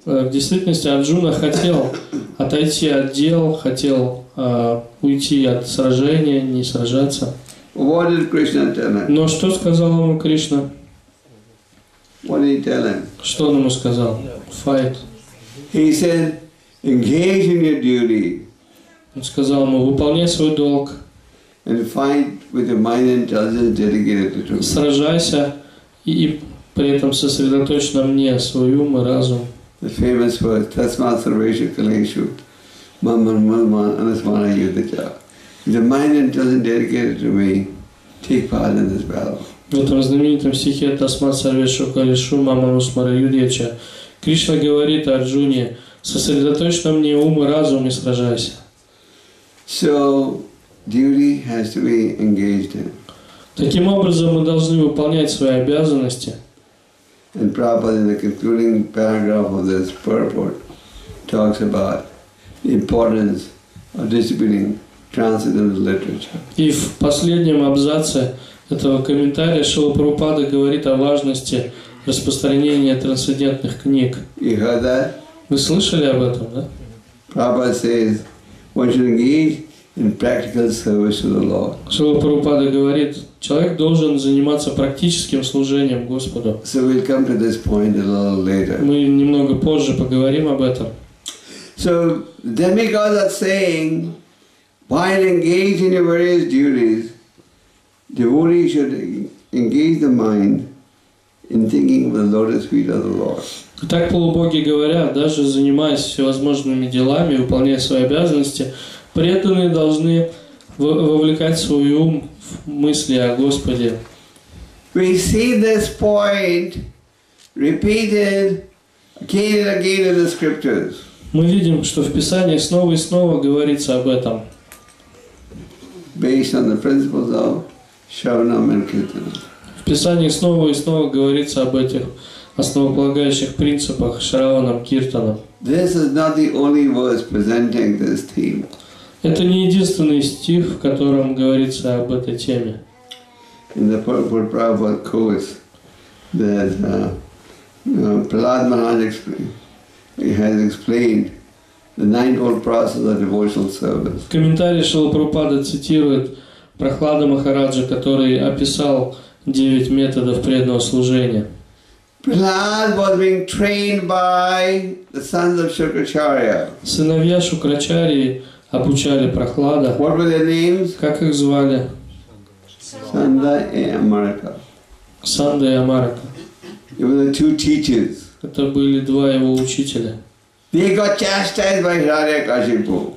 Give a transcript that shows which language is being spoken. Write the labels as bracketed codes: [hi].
[ru] В действительности Арджуна хотел отойти от дел, хотел уйти от сражения, не сражаться. [en] What did Krishna tell him? [ru] Но что сказал ему Кришна? [en] What did he tell him? [ru] Что он ему сказал? [en] Fight. He said, engage in your duty. [ru] Он сказал ему, выполняй свой долг. [en] And fight with your mind and intelligence dedicated to me. [ru] Сражайся и при этом сосредоточь на мне свой ум и разум. [en] The famous word, [sa] tasma sarvesha kaleshu, mamma mamma anasmana yudhaja. [en] With your mind and intelligence dedicated to me, take part in this battle. [ru] В этом знаменитом стихе [sa] tasma sarvesha kaleshu, mamma anasmana yudhaja. [ru] Кришна говорит Арджуне, сосредоточь на мне ум и разум и сражайся. [en] So, duty has to be engaged in. [ru] Таким образом, мы должны выполнять свои обязанности. [en] And Prabhupada, in the concluding paragraph of this purport, talks about the importance of distributing transcendental literature. [ru] И в последнем абзаце этого комментария Шрила Прабхупада говорит о важности распространения трансцендентных книг. [en] You heard that? [ru] Вы слышали об этом, да? [en] Prabhupada says, one should engage in practical service to the Lord. [ru] Шрила Прабхупада говорит, человек должен заниматься практическим служением Господу. [en] So we'll come to this point a little later. [ru] Мы немного позже поговорим об этом. [en] So demigods are saying, While engaged in your various duties, devotees should engage the mind in thinking of the lotus feet of the Lord. [ru] Так полубоги говорят, даже занимаясь всевозможными делами, выполняя свои обязанности, преданные должны вовлекать свой ум в мысли о Господе. [en] We see this point repeated again and again in the scriptures. [ru] Мы видим, что в Писании снова и снова говорится об этом. [en] Based on the principles of Shravanam and Kirtanam. [ru] В Писании снова и снова говорится об этих основополагающих принципах Шраванам, Киртанам. [en] This is not the only verse presenting this theme. [ru] Это не единственный стих, в котором говорится об этой теме. [en] In the Purport Prabhupada course, that Prahlad Maharaj has explained the ninefold process of devotional service. [ru] В комментарии Шрила Прабхупада цитирует Прахлада Махараджа, который описал девять методов преданного служения. [en] Prahlad was being trained by the sons of Shukracharya. [ru] Сыновья Шукрачарьи обучали Прахлада. [en] What were their names? [ru] Как их звали? [en] Sanda and Amarika. [ru] Sanda и Amarika. [en] They were the two teachers. [ru] Это были два его учителя. [en] They got chastised by Hiranyakashipu.